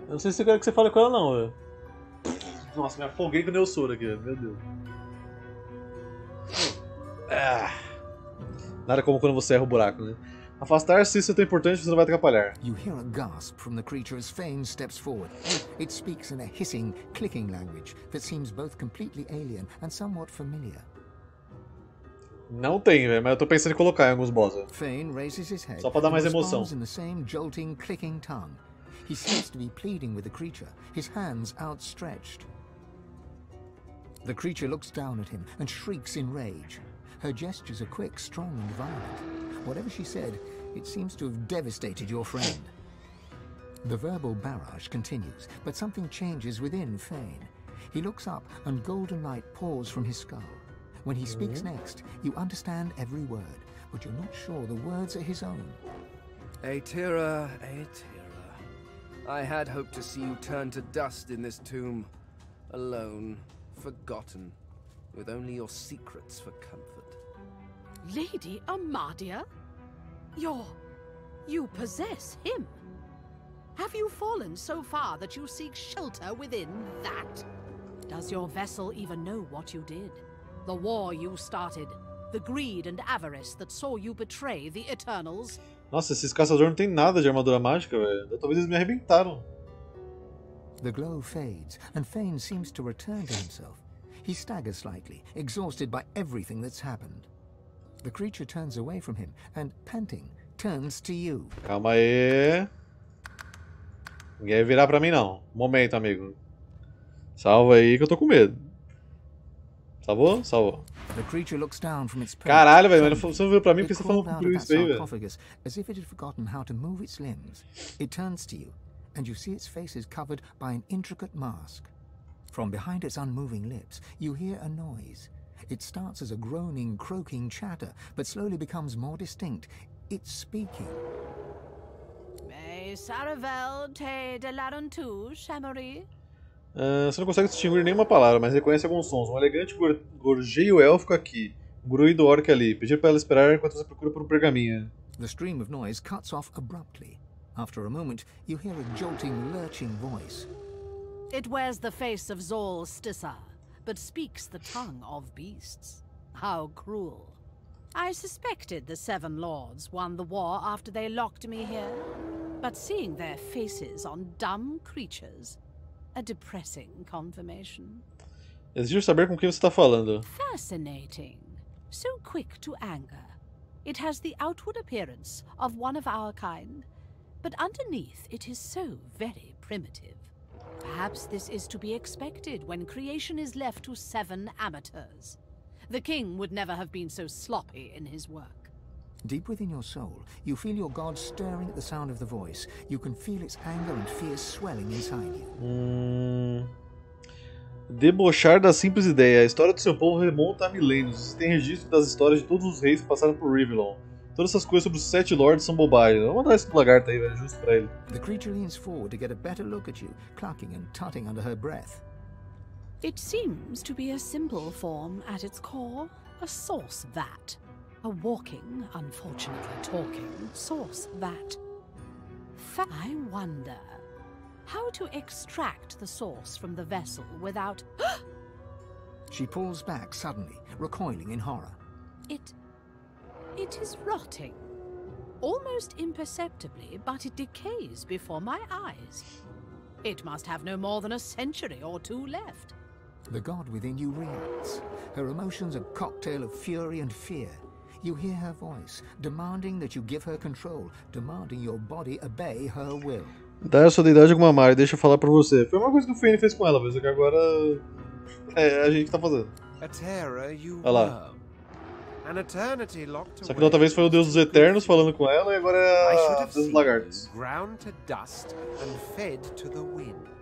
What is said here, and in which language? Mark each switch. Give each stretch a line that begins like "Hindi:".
Portuguese: Eu não sei se eu quero que você fale com ela, não. Nossa, me afoguei com o meu soro aqui, meu Deus. Nada como quando você erra o buraco, né? Afastar-se, isso é tão importante, você não vai atrapalhar.
English: You hear a gasp from the creature as Fane steps forward. It speaks in a hissing, clicking language that seems both completely alien and somewhat familiar.
Portuguese: Não tem, velho, mas eu tô pensando em colocar em alguns bosses.
English: Fane raises his head.
Portuguese: Só pra dar mais emoção.
English: In the same jolting, clicking tongue. He seems to be pleading with the creature, his hands outstretched. The creature looks down at him and shrieks in rage. Her gestures are quick, strong, and violent. Whatever she said, it seems to have devastated your friend. The verbal barrage continues, but something changes within Fane. He looks up, and golden light pours from his skull. When he speaks next, you understand every word, but you're not sure the words are his own. Aetira, Aetira. I had hoped to see you turn to dust in this tomb. Alone, forgotten, with only your secrets for comfort. Lady Amadia? You possess him. Have you fallen so far that you seek shelter within that? Does your vessel even know what you did? The war you started, the greed and avarice that saw you betray the Eternals?
Portuguese: Nossa, esses caçadores não tem nada de armadura mágica, velho. Talvez eles me arrebentaram.
English: The glow fades, and Fane seems to return to himself. He staggers slightly, exhausted by everything that's happened. The creature turns away from him, and panting, turns to you.
Portuguese: Calma aí. Ninguém vai virar pra mim, não. Momento, amigo. Salva aí, que eu tô com medo. Salvou?
English: The creature looks down from its perch.
Portuguese: Caralho, velho, você não viu pra mim porque você falou pro isso aí, velho.
English: As if it had forgotten how to move its limbs, it turns to you, and you see its face is covered by an intricate mask. From behind its unmoving lips, you hear a noise. It starts as a groaning, croaking chatter, but slowly becomes more distinct. It's speaking. May Saravel te de Larontou, Chamory.
Portuguese: Você não consegue distinguir nenhuma palavra, mas reconhece alguns sons. Um elegante gorjeio élfico aqui, um gruído orc ali. Pedir para ela esperar enquanto você procura por um pergaminho.
English: The stream of noise cuts off abruptly. After a moment, you hear a jolting, lurching voice. It wears the face of Zol Stissa, but speaks the tongue of beasts. How cruel. I suspected the Seven Lords won the war after they locked me here. But seeing their faces on dumb creatures, a depressing confirmation.
Portuguese: Exige saber com quem você está falando.
English: Fascinating. So quick to anger. It has the outward appearance of one of our kind, but underneath it is so very primitive. Perhaps this is to be expected when creation is left to seven amateurs. The king would never have been so sloppy in his work. Deep within your soul, you feel your god stirring at the sound of the voice. You can feel its anger and fear swelling inside you.
Portuguese: Debochar da simples ideia. A história do seu povo remonta a milênios. Existem registros das histórias de todos os reis que passaram por Rivelon. Todas essas coisas sobre os sete lords são bobagem. Vamos mandar esse lagarto aí, velho, justo pra ele.
English: The creature leans forward to get a better look at you, clucking and tutting under her breath. It seems to be a simple form at its core, a source vat. A walking, unfortunately talking, source vat. I wonder how to extract the source from the vessel without... She pulls back suddenly, recoiling in horror. It is rotting. Almost imperceptibly, but it decays before my eyes. It must have no more than a century or two left. The god within you reacts. Her emotions a cocktail of fury and fear. You hear her voice, demanding that you give her control, demanding your body obey her will.
Portuguese: Dá a sua deidade alguma mar e deixa eu falar pra você. Foi uma coisa que o Fane fez com ela, mas que agora é a gente que tá fazendo.
English: Aetira, you an eternity locked away.
Portuguese: Só que outra vez foi o Deus dos Eternos falando com ela e agora é a dos lagartos.
English: Ground to dust and fed to the wind.